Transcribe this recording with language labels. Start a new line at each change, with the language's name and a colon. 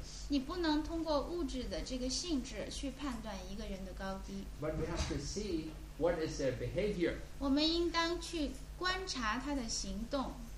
Chinese: 你不能通过物质的这个性质去判断一个人的高低。
English: But we have to see what is their behavior.
Chinese: 我们应当去观察他的行动。